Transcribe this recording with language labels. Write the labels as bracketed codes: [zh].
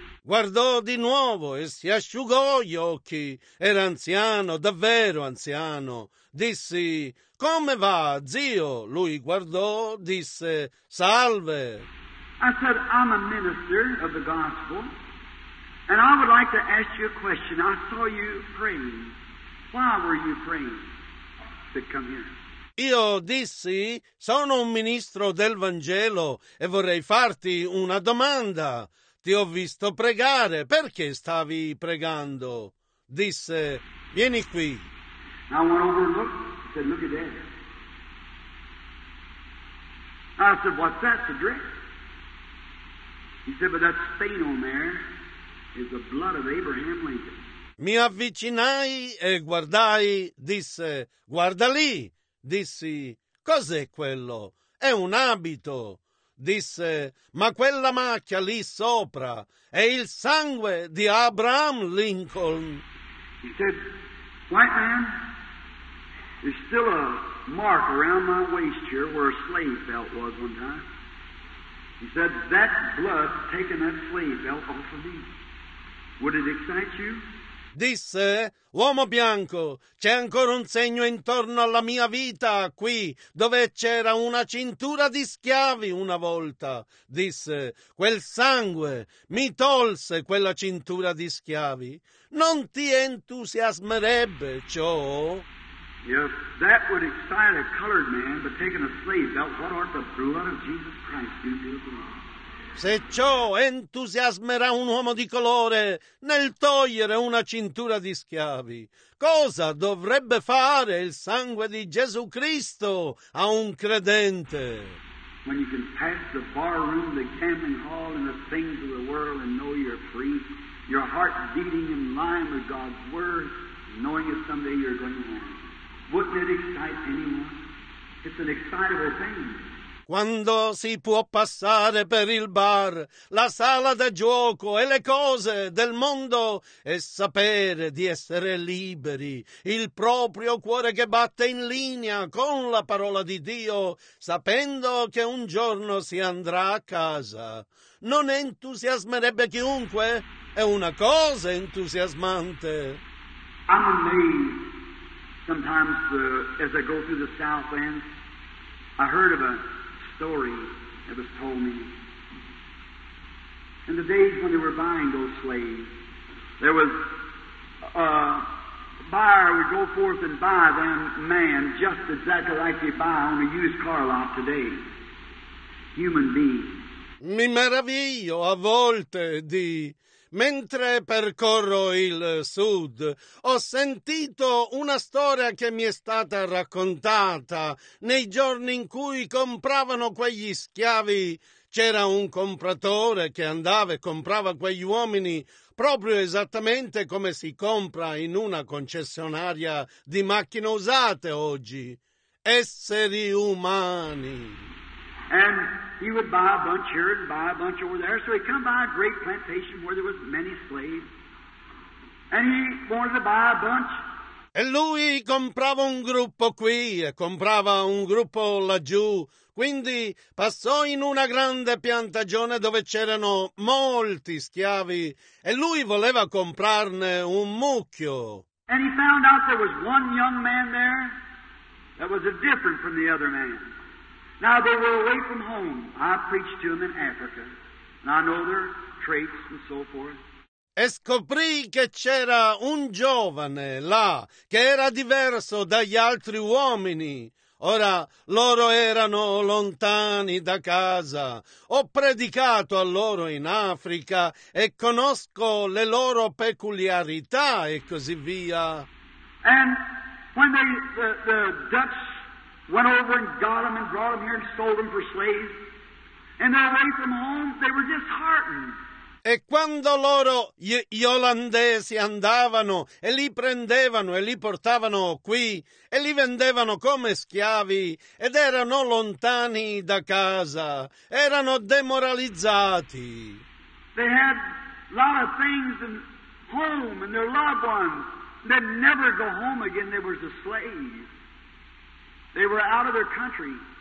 [it] Guardò di nuovo e si asciugò gli occhi. Era anziano, davvero anziano. Dissi, come va, zio? Lui guardò, disse, salve. [en] I said, I'm a minister of the gospel, and I would like to ask you a question. I saw you praying. Why were you praying to come here? [it] Io dissi, sono un ministro del Vangelo e vorrei farti una domanda. Ti ho visto pregare. Perché stavi pregando? Disse, vieni qui. [en] I went over and looked. He said, look at that. I said, what's that? The dress? He said, but that stain on there is the blood of Abraham Lincoln. [it] Mi avvicinai e guardai. Disse, guarda lì. Dissi, cos'è quello? È un abito. Disse, ma quella macchia lì sopra è il sangue di Abraham Lincoln. [en] He said, white man, there's still a mark around my waist here where a slave belt was one time. He said, that blood taking that slave belt off of me. Would it excite you? [it] Disse, uomo bianco, c'è ancora un segno intorno alla mia vita, qui, dove c'era una cintura di schiavi una volta. Disse, quel sangue mi tolse quella cintura di schiavi. Non ti entusiasmerebbe ciò? [en] If that would excite a colored man, but taking a slave belt, what art the blood of Jesus Christ do to the world? [it] Se ciò entusiasmerà un uomo di colore nel togliere una cintura di schiavi, cosa dovrebbe fare il sangue di Gesù Cristo a un credente? [en] When you can pass the bar room, the gambling hall, and the things of the world and know you're free, your heart beating in line with God's word, knowing that someday you're going to win. Wouldn't it excite anyone? It's an excitable thing. [it] quando si può passare per il bar, la sala da gioco e le cose del mondo e sapere di essere liberi, il proprio cuore che batte in linea con la parola di Dio, sapendo che un giorno si andrà a casa. Non entusiasmerebbe chiunque? È una cosa entusiasmante. [en] I'm amazed. Sometimes, as I go through the South End, I heard of a story that was told me. In the days when they were buying those slaves, there was a buyer would go forth and buy them man just exactly like they buy on a used car lot today. Human beings. [it] Mi meraviglio a volte di... Mentre percorro il sud, ho sentito una storia che mi è stata raccontata. Nei giorni in cui compravano quegli schiavi, c'era un compratore che andava e comprava quegli uomini proprio esattamente come si compra in una concessionaria di macchine usate oggi. Esseri umani. [en] And he would buy a bunch here and buy a bunch over there. So he'd come by a great plantation where there was many slaves. And he wanted to buy a bunch. [it] E lui comprava un gruppo qui e comprava un gruppo laggiù. Quindi passò in una grande piantagione dove c'erano molti schiavi. E lui voleva comprarne un mucchio. [en] And he found out there was one young man there that was different from the other man. Now they were away from home. I preached to them in Africa, and I know their traits and so forth. [it] E scoprì che c'era un giovane là che era diverso dagli altri uomini. Ora, loro erano lontani da casa. Ho predicato a loro in Africa e conosco le loro peculiarità e così via. [en] And when the Dutch went over and got them and brought them here and sold them for slaves. And they're away from home, they were disheartened. [it] E quando loro, gli olandesi, andavano e li prendevano e li portavano qui e li vendevano come schiavi ed erano lontani da casa, erano demoralizzati. [en] They had a lot of things in home and their loved ones. They'd never go home again, they were the slaves. They were out of their country.